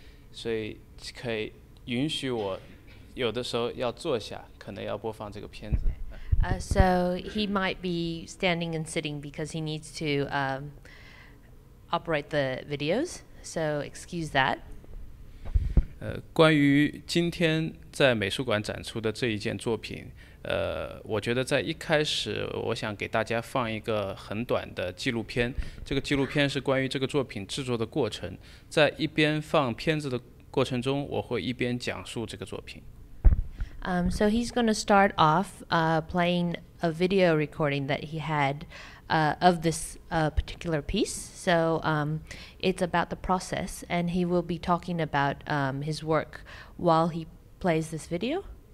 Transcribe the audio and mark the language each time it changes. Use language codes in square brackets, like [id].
[zh] 所以可以允许我有的时候要坐下，可能要播放这个片子。 [en] So he might be standing and sitting because he needs to operate the videos. So excuse that. [zh] 关于今天在美术馆展出的这一件作品，我觉得在一开始我想给大家放一个很短的纪录片。这个纪录片是关于这个作品制作的过程，在一边放片子的过程中，我会一边讲述这个作品。So [en] he's going to start off playing a video recording that he had of this particular piece. So it's about the process, and he will be talking about his work while he plays this video.